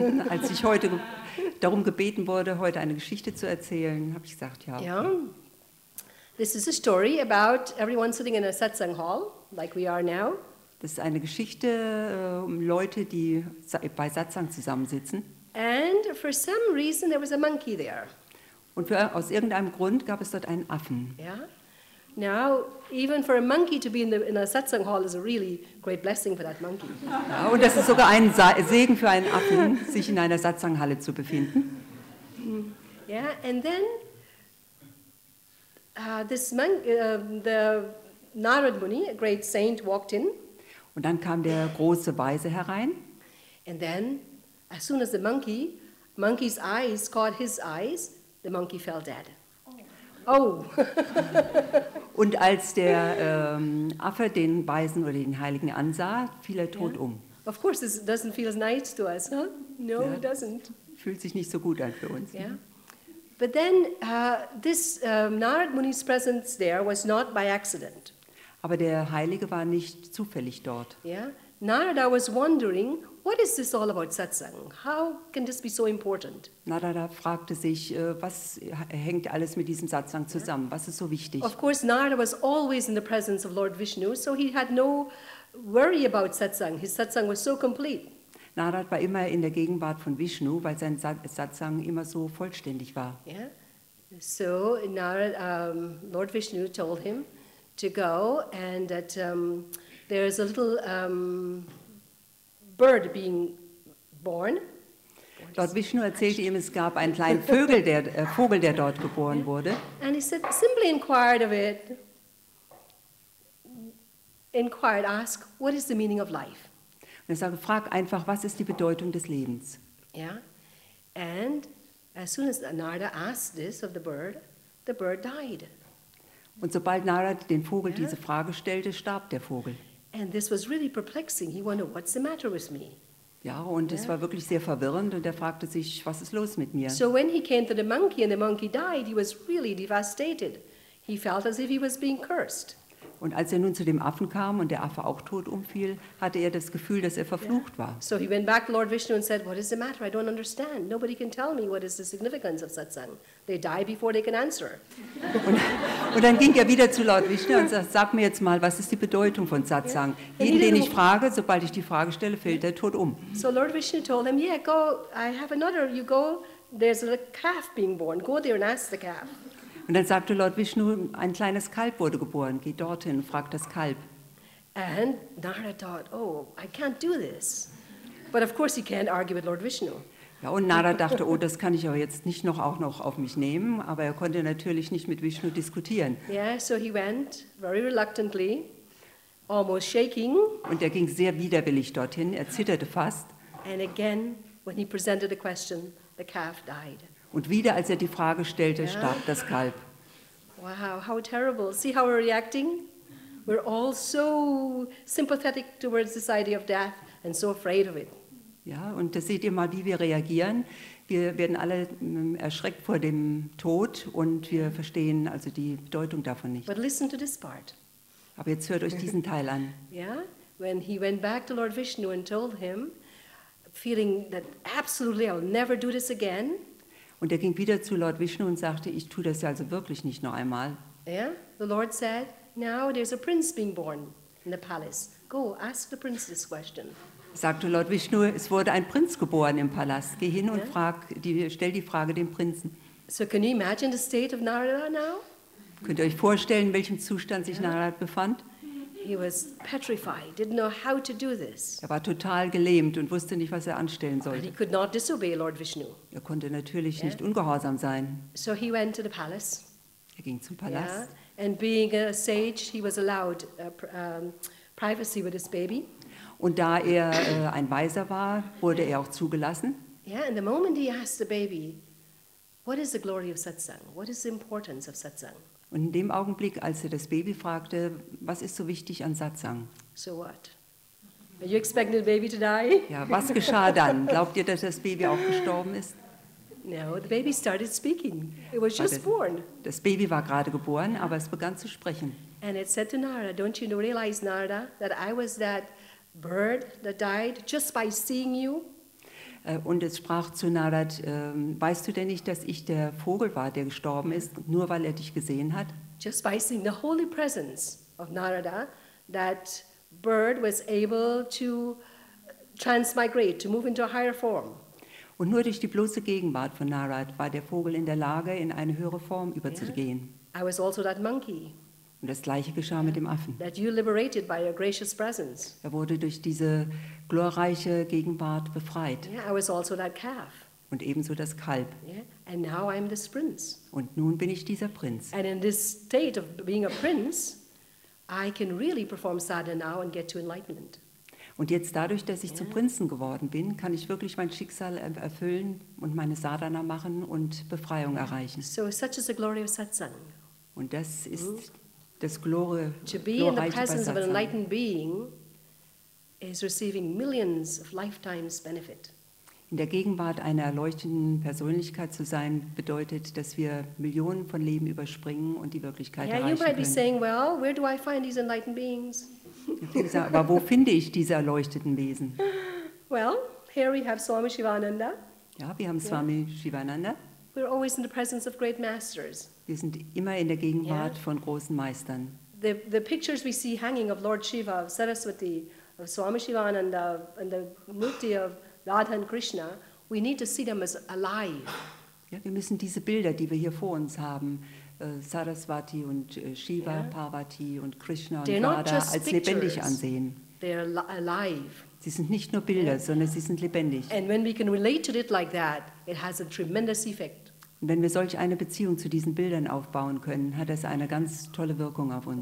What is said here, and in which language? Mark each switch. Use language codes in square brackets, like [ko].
[de] Als ich heute darum gebeten wurde, heute eine Geschichte zu erzählen, habe ich gesagt, ja. [en] Yeah. This is a story about everyone sitting in a satsang hall, like we are now. [de] Das ist eine Geschichte um Leute, die bei Satsang zusammensitzen. [en] And for some reason there was a monkey there. [de] Und aus irgendeinem Grund gab es dort einen Affen. [en] Yeah. Now, even for a monkey to be in a satsang hall is a really great blessing for that monkey. [de] Ja, und das ist sogar ein Segen für einen Affen, sich in einer Satsanghalle zu befinden. [en] Yeah, and then this monkey, the Narad Muni, a great saint, walked in. [de] Und dann kam der große Weise herein. [en] And then, as soon as the monkey's eyes caught his eyes, the monkey fell dead. Oh. [de] Und als der Affe den Weisen oder den Heiligen ansah, fiel er tot um. [en] Of course, this doesn't feel nice to us, huh? No, it doesn't. [de] Fühlt sich nicht so gut an für uns. [en] But then this Narad Muni's presence there was not by accident. [de] Aber der Heilige war nicht zufällig dort. [en] Yeah. Narada was wondering, what is this all about satsang? How can this be so important? [de] Narada fragte sich, was hängt alles mit diesem Satsang zusammen? Was ist so wichtig? [en] Of course, Narada was always in the presence of Lord Vishnu, so he had no worry about satsang. His satsang was so complete. [de] Narada war immer in der Gegenwart von Vishnu, weil sein Satsang immer so vollständig war. [en] So Narada, Lord Vishnu told him to go and that there is a little bird being born. [de] Lord Vishnu erzählte ihm, es gab einen kleinen Vogel, der dort geboren wurde. [en] And he said, simply inquired of it, ask, what is the meaning of life? [de] Und er sagte, frag einfach, was ist die Bedeutung des Lebens? [en] Yeah. And as soon as Narada asked this of the bird died. [de] Und sobald Narada den Vogel diese Frage stellte, starb der Vogel. [en] And this was really perplexing. He wondered, what's the matter with me? [de] Ja, und es war wirklich sehr verwirrend und fragte sich, was ist los mit mir? [en] So when he came to the monkey and the monkey died, he was really devastated. He felt as if he was being cursed. [de] Und als nun zu dem Affen kam und der Affe auch tot umfiel, hatte das Gefühl, dass verflucht war. [en] So he went back to Lord Vishnu and said, what is the matter? I don't understand. Nobody can tell me what is the significance of satsang. They die before they can answer. [de] Und dann ging wieder zu Lord Vishnu und sagte, sag mir jetzt mal, was ist die Bedeutung von satsang? Jeden, den ich frage, sobald ich die Frage stelle, fällt der tot um. [en] So Lord Vishnu told him, yeah, go, I have another, you go, there's a calf being born, go there and ask the calf. [de] Und dann sagte Lord Vishnu, ein kleines Kalb wurde geboren. Geh dorthin, frag das Kalb. [en] And Narada thought, oh, I can't do this. But of course he can't argue with Lord Vishnu. [de] Ja, und Narada dachte, oh, das kann ich aber jetzt nicht noch auch noch auf mich nehmen. Aber er konnte natürlich nicht mit Vishnu diskutieren. [en] Yeah, so he went very reluctantly, almost shaking. [de] Und ging sehr widerwillig dorthin. Zitterte fast. [en] And again, when he presented the question, the calf died. [de] Und wieder, als die Frage stellte, starb das Kalb. [en] Wow, how terrible. See how we're reacting? We're all so sympathetic towards this idea of death and so afraid of it. [de] Ja, und da seht ihr mal, wie wir reagieren. Wir werden alle erschreckt vor dem Tod und wir verstehen also die Bedeutung davon nicht. [en] But listen to this part. [de] Aber jetzt hört euch diesen Teil an. [en] Yeah, when he went back to Lord Vishnu and told him, feeling that absolutely I'll never do this again, [de] und ging wieder zu Lord Vishnu und sagte, ich tue das ja also wirklich nicht noch einmal. [en] Yeah, the Lord said, now there's a prince being born in the palace. Go, ask the prince this question. [de] Sagte Lord Vishnu, es wurde ein Prinz geboren im Palast. Geh hin und stell die Frage dem Prinzen. [en] So can you imagine the state of Narada now? [de] Könnt ihr euch vorstellen, in welchem Zustand sich Narada befand? [en] He was petrified, didn't know how to do this. [de] War total gelähmt und wusste nicht, was anstellen sollte. [en] But he could not disobey Lord Vishnu. [de] Konnte natürlich nicht ungehorsam sein. [en] So he went to the palace. [de] Ging zum Palast. [en] And being a sage, he was allowed privacy with his baby. [de] Und da ein Weiser war, wurde auch zugelassen. [en] Yeah, and the moment he asked the baby, what is the glory of satsang? What is the importance of satsang? [de] Und in dem Augenblick, als das Baby fragte, was ist so wichtig an Satsang? [en] So what? Are you expecting the baby to die? [de] Ja, was geschah dann? Glaubt ihr, dass das Baby auch gestorben ist? [en] No, the baby started speaking. It was just born. [de] Das Baby war gerade geboren, aber es begann zu sprechen. [en] And it said to Narada, don't you realize, Narada, that I was that bird that died just by seeing you? [de] Und es sprach zu Narad, weißt du denn nicht, dass ich der Vogel war, der gestorben ist, nur weil dich gesehen hat? [en] just by seeing the holy presence of Narada, that bird was able to transmigrate, to move into a higher form. [de] Und nur durch die bloße Gegenwart von Narad war der Vogel in der Lage, in eine höhere Form überzugehen. [en] Yeah. I was also that monkey. [de] Und das Gleiche geschah mit dem Affen. [en] That you liberated by your gracious presence. [de] Er wurde durch diese glorreiche Gegenwart befreit. [en] Yeah, I was also that calf. [de] Und ebenso das Kalb. [en] Yeah. And now I'm this prince. [de] Und nun bin ich dieser Prinz. [en] And in this state of being a prince, I can really perform sadhana now and get to enlightenment. [de] Und jetzt dadurch, dass ich zum Prinzen geworden bin, kann ich wirklich mein Schicksal erfüllen und meine Sadhana machen und Befreiung erreichen. [en] So such is the glory of satsang. [de] Und das ist das Glorie, [en] to be in the presence of an enlightened being is receiving millions of lifetimes benefit. [de] In der Gegenwart einer erleuchteten Persönlichkeit zu sein bedeutet, dass wir Millionen von Leben überspringen und die Wirklichkeit erreichen können. [en] Yeah, you might be saying, well, where do I find these enlightened beings? [de] Aber wo finde ich diese erleuchteten Wesen? [en] Well, here we have Swami Shivananda. [de] Ja, wir haben Swami Shivananda. [en] We're always in the presence of great masters. [de] Wir sind immer in der Gegenwart von großen Meistern. [en] The pictures we see hanging of Lord Shiva, of Saraswati, of Swami Shivananda, and the Murti of Radha and Krishna, we need to see them as alive. [de] Ja, wir müssen diese Bilder, die wir hier vor uns haben, Saraswati und Shiva, Parvati und Krishna und Radha als lebendig ansehen. [en] Alive. [de] Sie sind nicht nur Bilder, sondern sie sind lebendig. [en] And when we can relate to it like that, it has a tremendous effect. [de] Und wenn wir solch eine Beziehung zu diesen Bildern aufbauen können, hat das eine ganz tolle Wirkung auf uns.